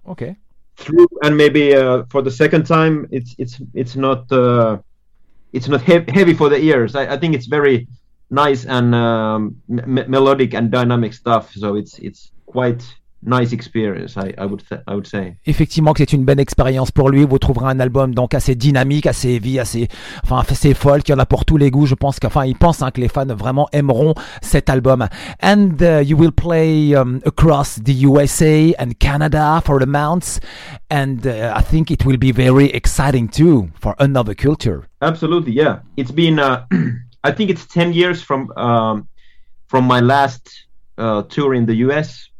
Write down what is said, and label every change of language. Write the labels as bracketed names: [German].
[English] okay, through, and maybe for the second time it's not heavy for the ears. I think it's very nice and melodic and dynamic stuff, so it's quite nice experience, I would say. [French] Effectivement, que c'est une bonne expérience pour lui. Vous trouverez un album donc assez dynamique, assez heavy, assez folk. Il y en a pour tous les goûts. Je pense qu'il pense que les fans vraiment aimeront cet album. [English] And you will play across the USA and Canada for the months, and I think it will be very exciting too for another culture. Absolutely, yeah. It's been I think it's 10 years from my last tour in the US.